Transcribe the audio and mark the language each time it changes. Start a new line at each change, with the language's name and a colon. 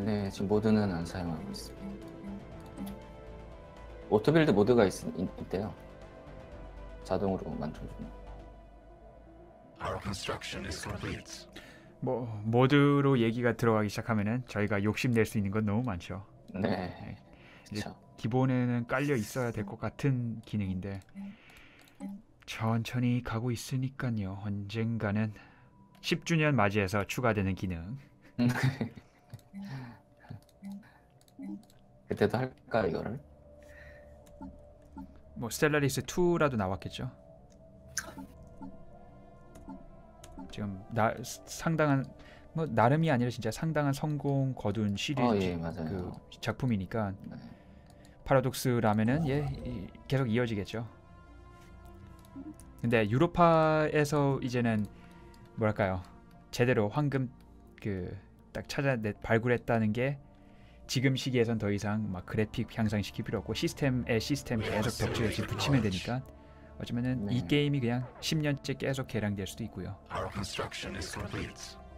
Korean: 지금 모드는 안 사용하고 있습니다. 오토빌드 모드가 있대요. 자동으로 만들어주는.
English: Our construction is complete.
Korean: 뭐 모드로 얘기가 들어가기 시작하면은 저희가 욕심낼 수 있는 건 너무 많죠. 네. 네. 그렇죠. 기본에는 깔려 있어야 될 것 같은 기능인데 천천히 가고 있으니까요. 언젠가는 10주년 맞이해서 추가되는 기능. 그때도 할까 이거를? 뭐 스텔라리스 2라도 나왔겠죠? 지금 나 상당한 뭐 나름이 아니라 진짜 상당한 성공 거둔 시리즈 예, 맞아요. 그 작품이니까 네. 파라독스라면은 예 계속 이어지겠죠. 근데 유로파에서 이제는 뭐랄까요 제대로 황금 그 딱 찾아 발굴했다는 게 지금 시기에선 더 이상 막 그래픽 향상시킬 필요 없고 시스템에 시스템 계속 덕지덕지 붙이면 되니까 어쩌면은 네. 이 게임이 그냥 10년째 계속 개량될 수도 있고요.
English: Our construction is complete.